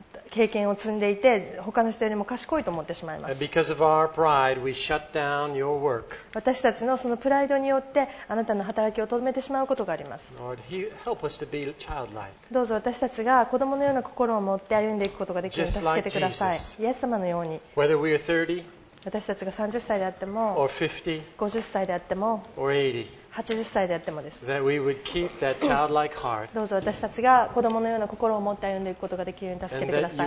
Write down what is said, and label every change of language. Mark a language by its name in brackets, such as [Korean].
[Japanese] 経験を積んでいて他の人よりも賢いと思ってしまいます。 [English] Because of our pride, we shut down your work. [Japanese] 私たちのそのプライドによってあなたの働きを止めてしまうことがあります。 [English] Lord, help us to be childlike. [Japanese] どうぞ私たちが子供のような心を持って歩んでいくことができるように助けてください。 [English] Just like Jesus. [Japanese] イエス様のように。 [English] Whether we are 30, [Japanese] 私たちが30歳であっても [English] or 50, [Japanese] 50歳であっても [English] or 80 [Japanese] 80歳であってもです。 [English] That we would keep that childlike heart. [Japanese] どうぞ私たちが子供のような心を持って歩んでいくことができるように助けてください。